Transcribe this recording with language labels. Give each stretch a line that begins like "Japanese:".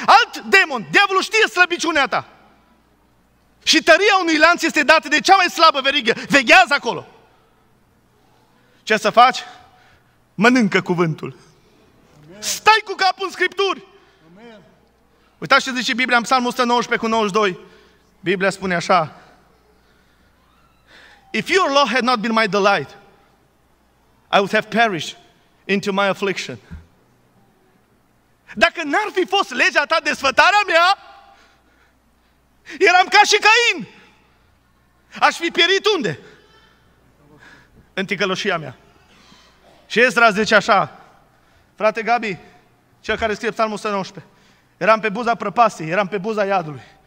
Romanian: Alt demon, diavolul știe slăbiciunea ta. Și tăria unui lanț este dată de cea mai slabă verighe. Veghează acolo. Ce să faci? Mănâncă cuvântul. Stai cu capul în Scripturi. Uitați ce zice Biblia în Psalmul 119:92. Biblia spune așa:
English: If your law had not been my delight, I would have perished into my affliction.
Romanian: Dacă n-ar fi fost legea ta desfătarea mea, eram ca și Cain. Aș fi pierit unde? În ticăloșia mea. Și Ezra zice așa, frate Gabi, cel care scrie Psalmul 119, eram pe buza prăpastiei, eram pe buza iadului.